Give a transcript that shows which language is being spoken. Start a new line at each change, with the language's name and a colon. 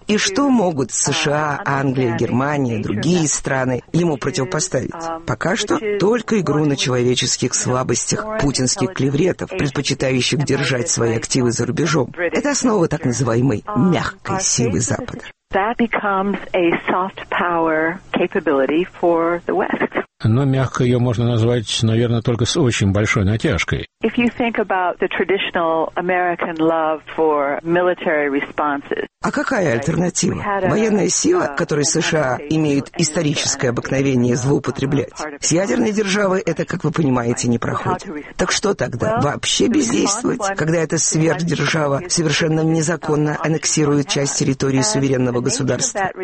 Russian: И что могут США, Англия, Германия, другие страны ему противопоставить? Пока что только игру на человеческих слабостях путинских клевретов, предпочитающих держать свои активы за рубежом. Это основа так называемой «мягкой силы Запада».
English: That becomes a soft power capability for the West.
Russian: Но мягко ее можно назвать, наверное, только с очень большой натяжкой.
English: If you think about the traditional American love for military responses.
Russian: А какая альтернатива? Военная сила, которой США имеют историческое обыкновение злоупотреблять. С ядерной державой это, как вы понимаете, не проходит. Так что тогда? Вообще бездействовать, когда эта сверхдержава совершенно незаконно аннексирует часть территории суверенного государства?